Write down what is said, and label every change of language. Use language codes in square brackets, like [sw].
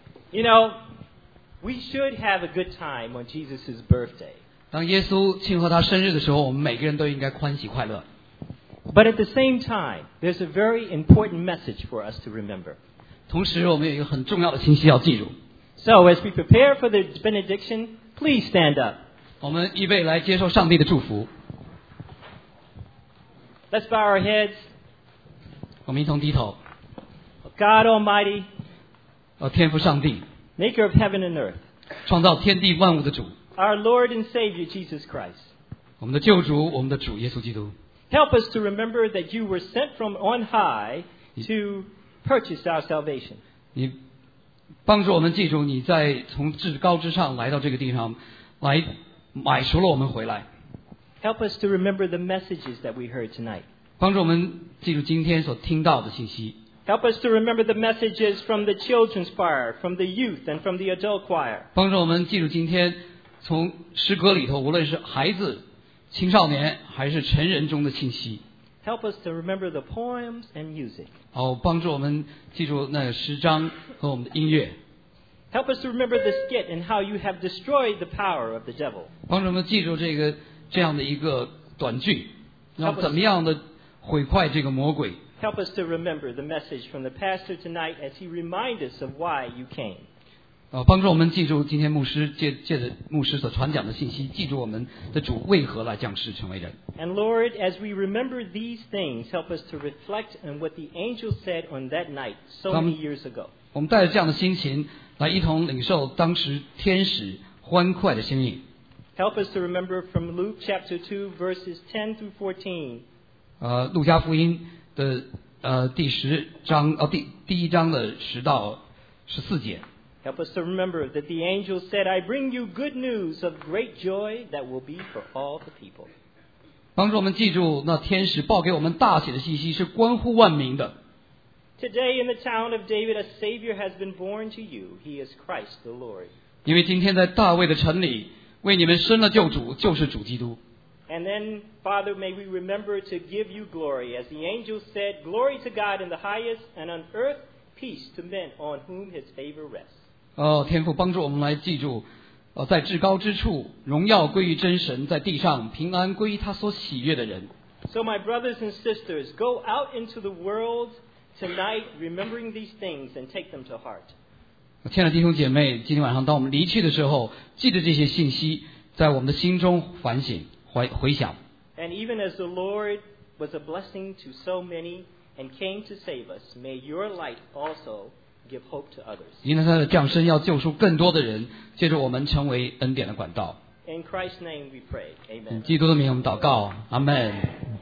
[en] You know, we should have a good time on Jesus' birthday. [zh] 当耶稣庆贺他生日的时候，我们每个人都应该欢喜快乐。 [en] But at the same time, there's a very important message for us to remember. [zh] 同时，我们有一个很重要的信息要记住。 [en] So as we prepare for the benediction, please stand up. [zh] 我们预备来接受上帝的祝福。 [en] Let's bow our heads. [zh] 我们一同低头。 [en] God Almighty. [zh] 天父上帝。 [en] Maker of heaven and earth. [zh] 创造天地万物的主。 [en] Our Lord and Savior Jesus Christ. [zh] 我们的救主，我们的主耶稣基督。 [en] Help us to remember that you were sent from on high to purchase our salvation. [zh] 你帮助我们记住，你在从至高之上来到这个地上，来买赎了我们回来。 [en] Help us to remember the messages that we heard tonight. [zh] 帮助我们记住今天所听到的信息。 [en] Help us to remember the messages from the children's choir, from the youth, and from the adult choir. [zh] 帮助我们记住今天从诗歌里头，无论是孩子、青少年还是成人中的信息。 [en] Help us to remember the poems and music. [zh] 帮助我们记住那诗章和我们的音乐。 [en] Help us to remember the skit and how you have destroyed the power of the devil. [zh] 帮助我们记住这个这样的一个短句，然后怎么样的毁坏这个魔鬼。 [en] Help us to remember the message from the pastor tonight as he reminds us of why you came. [zh] 帮助我们记住今天牧师借着牧师所传讲的信息，记住我们的主为何来降世成为人。 [en] And Lord, as we remember these things, help us to reflect on what the angel said on that night so many years ago. [zh] 我们带着这样的心情来一同领受当时天使欢快的心意。 [en] Help us to remember from Luke chapter 2 verses 10 through 14. [zh] 路加福音的第十章第一章的十到十四节。 [en] Help us to remember that the angel said, I bring you good news of great joy that will be for all the people. [zh] 帮助我们记住那天使报给我们大喜的信息是关乎万民的。 [en] Today in the town of David, a Savior has been born to you. He is Christ the Lord. [zh] 因为今天在大卫的城里为你们生了救主，就是主基督。 [en] And then, Father, may we remember to give you glory, as the angel said, "Glory to God in the highest, and on earth peace to men on whom His favor rests." [zh] 天父，帮助我们来记住，在至高之处，荣耀归于真神；在地上，平安归于他所喜悦的人。 [en] So, my brothers and sisters, go out into the world tonight, remembering these things, and take them to heart. [zh] 亲爱的弟兄姐妹，今天晚上当我们离去的时候，记得这些信息，在我们的心中反省。回想。 [en] And even as the Lord was a blessing to so many and came to save us, may your light also give hope to others. [zh] 因为他的降生要救赎更多的人，借着我们成为恩典的管道。 [en] In Christ's name we pray. Amen. [zh] 基督的名我们祷告。阿门。